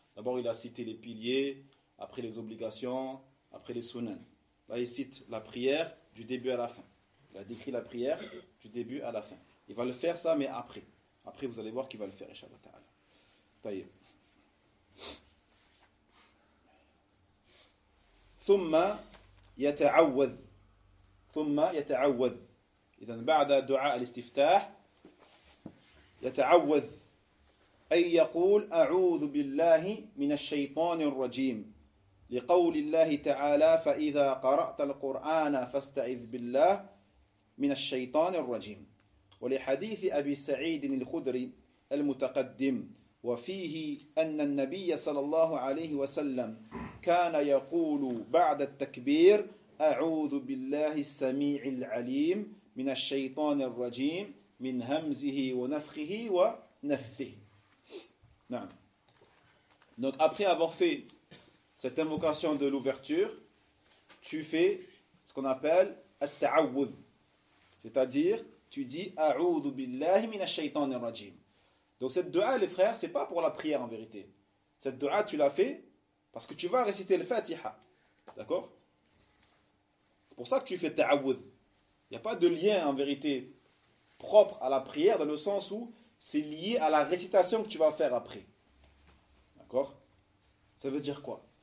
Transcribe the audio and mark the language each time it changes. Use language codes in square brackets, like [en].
[fr] D'abord, il a cité les piliers, après les obligations, après les sunan. Là, il cite la prière du début à la fin. Il a décrit la prière du début à la fin. Il va le faire ça, mais après. Après, vous allez voir qu'il va le faire, inshallah ta'ala. [ar] Taïeb. ثم يتعوذ ثم يتعوذ إذن بعد دعاء الاستفتاح يتعوذ أي يقول أعوذ بالله من الشيطان الرجيم لقول الله تعالى فإذا قرأت القرآن فاستعذ بالله من الشيطان الرجيم ولحديث أبي سعيد الخدري المتقدم وفيه أن النبي صلى الله عليه وسلم كان يقول بعد التكبير أعوذ بالله السميع العليم من الشيطان الرجيم من همزه ونفخه ونفثه. نعم. [fr] Donc après avoir fait cette invocation de l'ouverture, tu fais ce qu'on appelle التعوذ. C'est-à-dire, tu dis [ar] أعوذ بالله من الشيطان الرجيم. [fr] Donc cette dua, les frères, c'est pas pour la prière en vérité. Cette dua, tu l'as fait parce que tu vas réciter le Fatiha. D'accord? C'est pour ça que tu fais ta'awud. Il n'y a pas de lien en vérité propre à la prière dans le sens où c'est lié à la récitation que tu vas faire après. D'accord? Ça veut dire quoi?